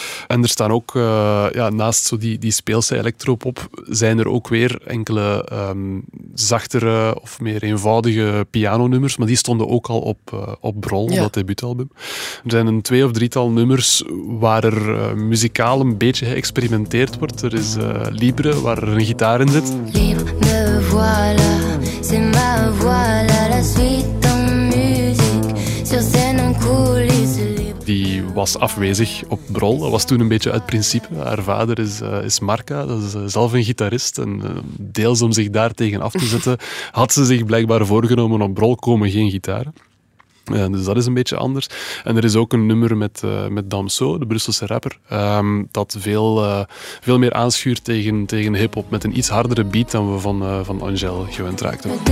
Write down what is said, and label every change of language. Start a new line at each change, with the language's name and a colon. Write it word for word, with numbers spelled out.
Dutch: En er staan ook, uh, ja, naast zo die, die speelse elektropop, zijn er ook weer enkele um, zachtere of meer eenvoudige pianonummers, maar die stonden ook al op, uh, op Brol, op ja. dat debuutalbum. Er zijn een twee of drietal nummers waar er uh, muzikaal een beetje geëxperimenteerd wordt. Er is uh, Libre, waar er een gitaar in zit.
French: Libre, me voilà, c'est ma voilà, la suite en musique, sur scène en coulisses.
Dutch: Die was afwezig op Brol. Dat was toen een beetje uit principe. Haar vader is, uh, is Marca, dat is uh, zelf een gitarist. En uh, deels om zich daar tegen af te zetten, had ze zich blijkbaar voorgenomen op Brol komen geen gitaren. Uh, dus dat is een beetje anders. En er is ook een nummer met, uh, met Damso, de Brusselse rapper, um, dat veel, uh, veel meer aanschuurt tegen, tegen hip-hop met een iets hardere beat dan we van, uh, van Angèle gewend raakten.